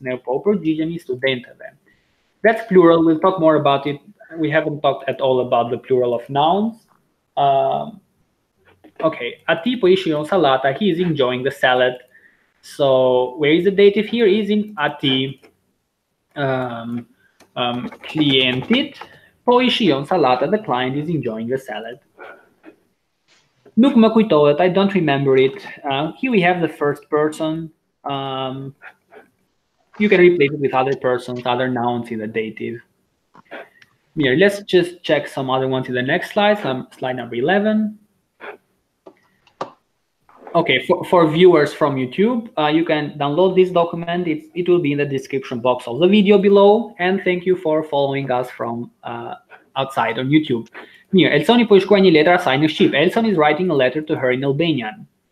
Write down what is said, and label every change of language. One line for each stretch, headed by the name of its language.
Albanian: Ne u përgjigjemi studentëve.
English: That's plural. We'll talk more about it. We haven't talked at all about the plural of nouns. Okay,
Albanian: ati po I shiron salata,
English: he is enjoying the salad. So, where is the dative here? Is in ati.
Albanian: Klientit po I shiron salata,
English: the client is enjoying the salad.
Albanian: Nuk më kujtohet,
English: I don't remember it. Here we have the first person. You can replace it with other persons, other nouns in the dative. Mir, let's just check some other ones in the next slide, slide number 11. Okay, for viewers from YouTube, you can download this document. It will be in the description box of the video below. And thank you for following us from outside on YouTube.
Albanian: Mirë, Elson I po I shkruaj një letër asaj në Shqip.
English: Elson is writing a letter to her in Albanian.